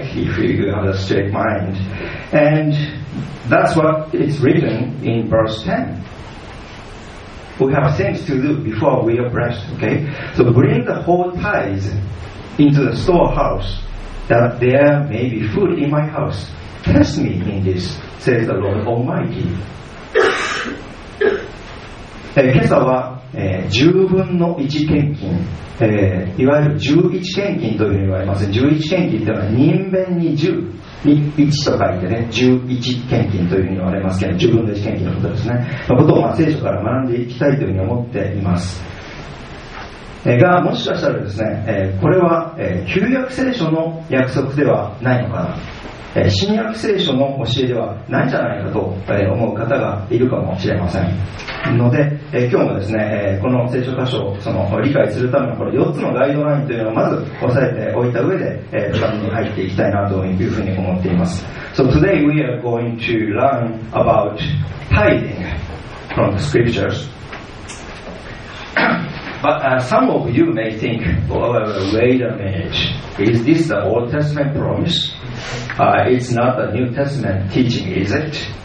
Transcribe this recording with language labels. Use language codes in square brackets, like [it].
[en] If you have a straight mind. And that's what is written in verse 10. We have things to do before we are blessed, okay? So bring the whole tithes into the storehouse, that there may be food in my house. Test me in this, says the Lord Almighty. [ja] 今朝は、10分の1献金、いわゆる11献金というふうに言われます。 11献金というのは人弁に10に1と書いてね、11献金というふうに言われますけど、10分の1献金のことですね、のことを、聖書から学んでいきたいというふうに思っています。がもしかしたらですね、これは、旧約聖書の約束ではないのかな、新約聖書の教えではないんじゃないかと思う方がいるかもしれませんので、今日もですね、この聖書箇所をその理解するためのこの4つのガイドラインというのをまず押さえておいた上で、深みに入っていきたいなというふうに思っています。 [en] So today we are going to learn about tithing from the scriptures. But some of you may think, wait a minute, is this the Old Testament promise?It's not the New Testament teaching, is it?